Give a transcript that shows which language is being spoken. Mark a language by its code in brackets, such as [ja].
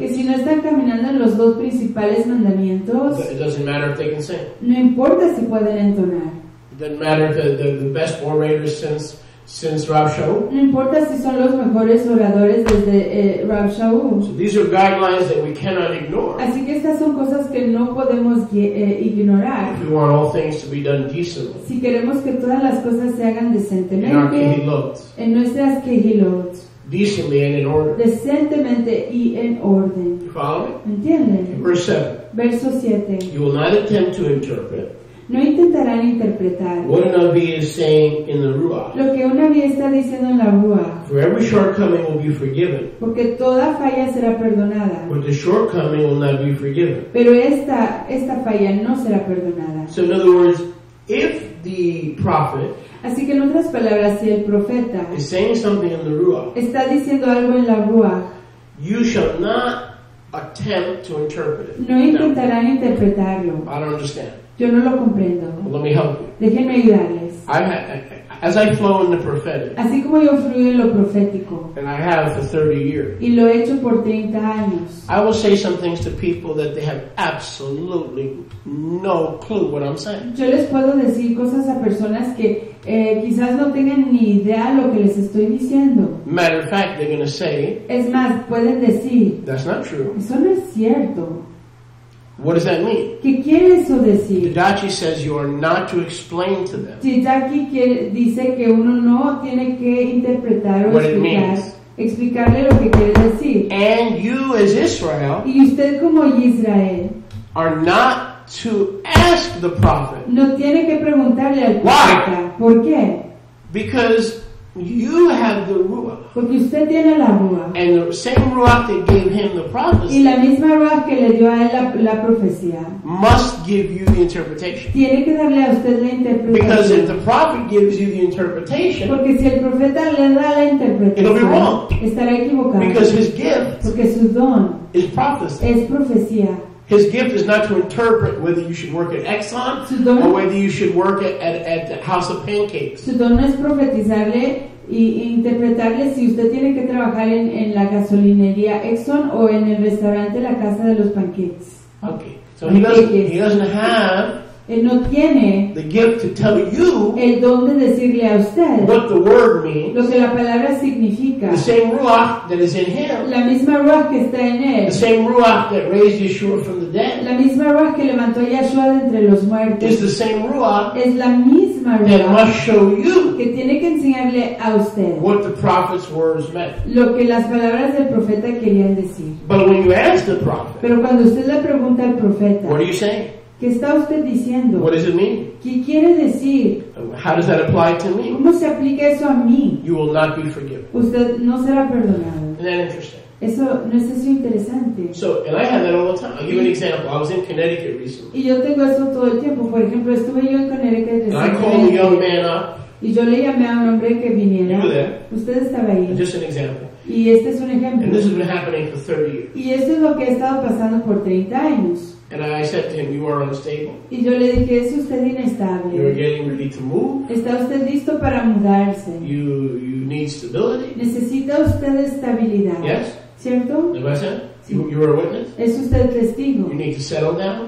[es] Que si no están caminando en los dos principales mandamientos. [en] It doesn't matter if they can sing. [es] No importa si pueden entonar. [en] doesn't matter the best orators since Rav Shaul. [es] No importa si son los mejores oradores desde Rav Shaul. [en] So these are guidelines that we cannot ignore. [es] Así que estas son cosas que no podemos ignorar. [en] If we want all things to be done decently. [es] Si queremos que todas las cosas se hagan decentemente. [en] In our kehilot. [es] En nuestras kehilot. [en] Decently and in order. [es] Decentemente y en orden. [en] You follow me? [es] ¿Entienden? [en] Verse 7. [es] Verso 7. [en] You will not attempt to interpret. [es] No intentarán interpretar [en] what an Avi is saying in the Ruach. [es] Lo que un Avi está diciendo en la Ruach. [en] For every shortcoming will be forgiven. [es] Porque toda falla será perdonada. [en] But the shortcoming will not be forgiven. [es] Pero esta falla no será perdonada. [en] So in other words, if the prophet [es] así que en otras palabras, si el profeta [en] is saying something in the Ruach, [es] está diciendo algo en la Ruach, [en] you shall not attempt to interpret it. [es] No intentarán interpretarlo. [en] I don't understand. [es] Yo no lo comprendo. [en] Well, let me help you. [es] Déjenme ayudarles. [en] As I flow in the prophetic. [es] Así como yo fluyo en lo profético. [en] And I have for 30 years. [es] Y lo he hecho por 30 años. [en] I will say some things to people that they have absolutely no clue what I'm saying. [es] Yo les puedo decir cosas a personas que quizás no tengan ni idea lo que les estoy diciendo. [en] Matter of fact, they're going to say. [es] Es más, pueden decir. [en] That's not true. [es] Eso no es cierto. [en] What does that mean? [es] ¿Qué quiere eso decir? [en] Didache says you are not to explain to them. [es] Didache dice que uno no tiene que interpretar o [en] what [es] explicar, [en] it means. [es] Explicarle lo que quiere decir. [en] And you as Israel, [es] y usted como Israel [en] are not to ask the prophet. [es] No tiene que preguntarle al profeta. [en] Why? [es] ¿Por qué? [en] Because you have the Ruach. [es] Porque usted tiene la Ruach. [en] And the same Ruach that gave him the prophecy. [es] Y la misma Ruach que le dio a él la profecía. [en] Must give you the interpretation. [es] Tiene que darle a usted la interpretación. [en] Because if the prophet gives you the interpretation. [es] Porque si el profeta le da la interpretación. [en] It'll be wrong. [es] Estará equivocado. [en] Because his gift. [es] Porque su don. [en] Is prophecy. [es] Es profecía. [en] His gift is not to interpret whether you should work at Exxon or whether you should work at the House of Pancakes. [es] Su don no es profetizarle y interpretarle si usted tiene que trabajar en la gasolinería Exxon o en el restaurante La Casa de los Pancakes. [en] Okay, so pancakes. He doesn't have. [es] Él no tiene [en] the gift to tell you [es] el don de decirle a usted [en] what the word means, [es] lo que la palabra significa. [en] The same Ruach that is in him. [es] La misma Ruach que está en él. [en] The same Ruach that raised Yeshua from the dead. [es] La misma Ruach que levantó a Yeshua de entre los muertos. [en] Is the same Ruach. [es] Es la misma Ruach [en] that must show you [es] que tiene que enseñarle a usted [en] what the prophet's words meant. [es] Lo que las palabras del profeta querían decir. [en] But when you ask the prophet, [es] pero cuando usted le pregunta al profeta, [en] what are you saying? [es] ¿Qué está usted diciendo? [en] What does it mean? [es] ¿Qué quiere decir? [en] How does that apply to me? [es] ¿Cómo se aplica eso a mí? [en] You will not be forgiven. [es] Usted no será perdonado. [en] Isn't that interesting? [es] Eso no es eso interesante. [en] So, and I have that all the time. I'll give an example. I was in Connecticut recently. [es] Y yo tengo eso todo el tiempo. Por ejemplo, estuve yo en Connecticut recientemente. [en] And I called a young man up. [es] Y yo le llamé a un hombre que viniera. [en] You were there. [es] Usted estaba ahí. [en] Just an example. [es] Y este es un ejemplo. [en] And this has been happening for 30 years. [es] Y esto es lo que ha estado pasando por 30 años. [en] And I said to him, you are unstable. [es] Y yo le dije, ¿es usted inestable? [en] You're getting ready to move. [es] ¿Está usted listo para mudarse? [en] You need stability. [es] ¿Necesita usted estabilidad? [en] Yes. [es] ¿Cierto? [en] You are a witness. [es] ¿Es usted testigo? [en] You need to settle down.